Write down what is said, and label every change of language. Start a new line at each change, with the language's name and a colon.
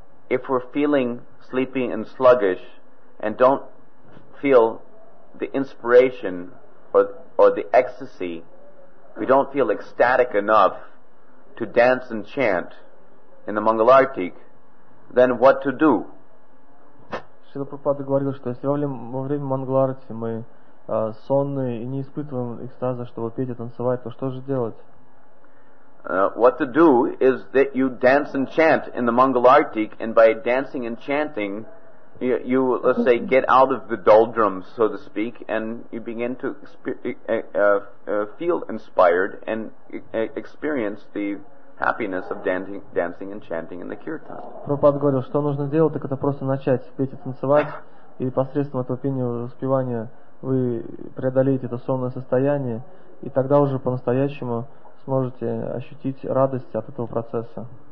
English: if we're feeling sleepy and sluggish and don't feel the inspiration or the ecstasy, we don't feel ecstatic enough to dance and chant in the Mangalartik, then what to do?
Russian: Шрила Прабхупада говорил, что если во время Мангаларти мы сонные и не испытываем экстаза, чтобы петь и танцевать, то что же делать?
English: What to do is that you dance and chant in the Mangalartik, and by dancing and chanting, you let's say get out of the doldrums, so to speak, and you begin to feel inspired and experience the happiness of dancing and chanting in the kirtan.
Russian: Prabhupada говорил, что нужно делать, так это просто начать петь и танцевать, и посредством этого пения и воспевания вы преодолеете это сонное состояние, и тогда уже по-настоящему сможете ощутить радость от этого процесса.